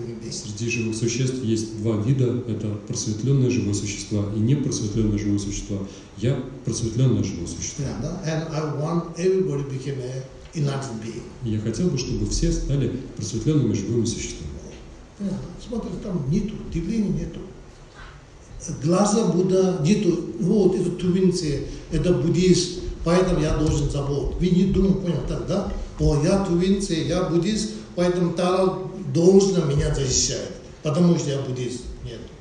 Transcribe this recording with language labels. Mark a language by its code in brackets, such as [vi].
[ru] Среди живых существ есть два вида. Это просветленное живое существо и непросветленное живое существо. Я просветленное живое существо. [en] Yeah, no? And I want everybody became a enlightened being. [ru] Я хотел бы, чтобы все стали просветленными живыми существами. Yeah. Смотри, там нету, деления нету. Глаза Будда нету. Вот это тувинцы, это буддист, поэтому я должен заботиться. Вы не думаете, понял, так, да? О, я тувинцы, я буддист, поэтому Тара должен меня защищать, потому что я буддист. Нет.